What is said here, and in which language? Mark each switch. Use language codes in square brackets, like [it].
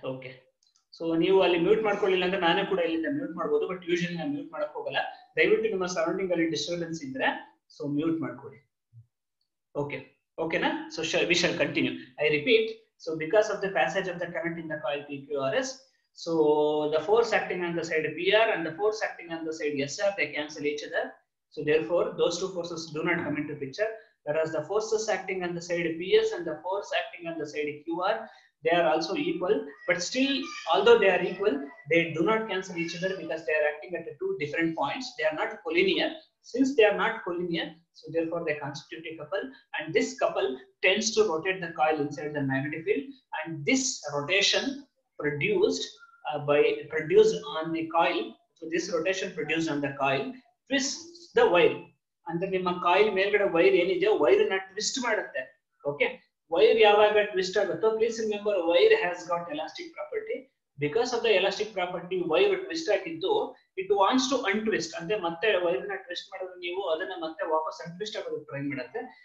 [kn] Okay, so ನೀವು ಅಲ್ಲಿ mute ಮಾಡ್ಕೊಳ್ಳಿಲ್ಲ ಅಂದ್ರೆ ನಾನೇ ಕೂಡ ಇಲ್ಲಿಂದ ಮ್ಯೂಟ್ ಮಾಡ್ಬೋದು. ಬಟ್ ಯೂಶಲಿ ನಾನು ಮ್ಯೂಟ್ ಮಾಡಕ್ ಹೋಗಲ್ಲ, ದಯವಿಟ್ಟು ನಿಮ್ಮ ಸರೌಂಡಿಂಗ್ ಅಲ್ಲಿ ಡಿಸ್ಟರ್ಬೆನ್ಸ್ ಇದ್ರೆ ಸೊ ಮ್ಯೂಟ್ ಮಾಡ್ಕೊಳ್ಳಿ. ಓಕೆ, ಓಕೆನಾ? [en] So we shall continue. I repeat, So because of the passage of the current in the coil PQRS, so the force acting on the side PR and the force acting on the side SR, they cancel each other. So therefore, those two forces do not come into picture. Whereas the forces acting on the side PS and the force acting on the side QR, they are also equal. But still, although they are equal, they do not cancel each other because they are acting at the two different points. They are not collinear. Since they are not collinear, so therefore they constitute a couple. And this couple tends to rotate the coil inside the magnetic field. And this rotation produced on the coil, so this rotation produced on the coil twists the wire. [kn] ಅಂದ್ರೆ ನಿಮ್ಮ coil ಮೇಲ್ಗಡೆ wire ಏನಿದೆ wire ನ twist ಮಾಡುತ್ತೆ. Okay, wire ಯಾವಾಗ twist ಆಗುತ್ತೋ, [en] Please remember wire has got elastic property. Because of the elastic property wire twist ಆಗಿದ್ದು, it wants to untwist. [kn] ಅಂದ್ರೆ ಮತ್ತೆ ವೈರ್ ನ ಟ್ವಿಸ್ಟ್ ಮಾಡಿದ್ರೆ ನೀವು ಅದನ್ನ ಮತ್ತೆ ವಾಪಸ್ ಅನ್ಟ್ವಿಸ್ಟ್ ಆಗೋದಕ್ಕೆ ಟ್ರೈ ಮಾಡುತ್ತೆ.